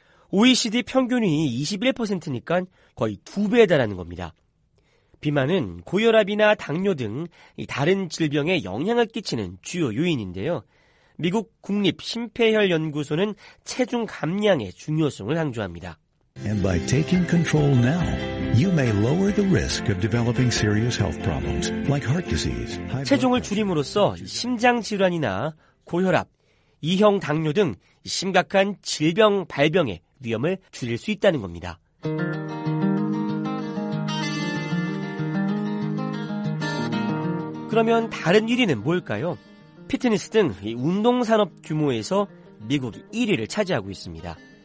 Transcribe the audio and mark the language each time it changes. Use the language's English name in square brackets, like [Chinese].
[Korean] OECD 평균이 21%니까 거의 2배에 달하는 겁니다. 비만은 고혈압이나 당뇨 등 다른 질병에 영향을 끼치는 주요 요인인데요. 미국 국립심폐혈연구소는 체중 감량의 중요성을 강조합니다. [English] And by taking control now, you may lower the risk of developing serious health problems like heart disease. [Korean] 체중을 줄임으로써 심장 질환이나 고혈압, 2형 당뇨 등 심각한 질병 발병의 위험을 줄일 수 있다는 겁니다. 그러면 다른 1위는 뭘까요? 피트니스 등 운동 산업 규모에서 미국 1위를 차지하고 있습니다.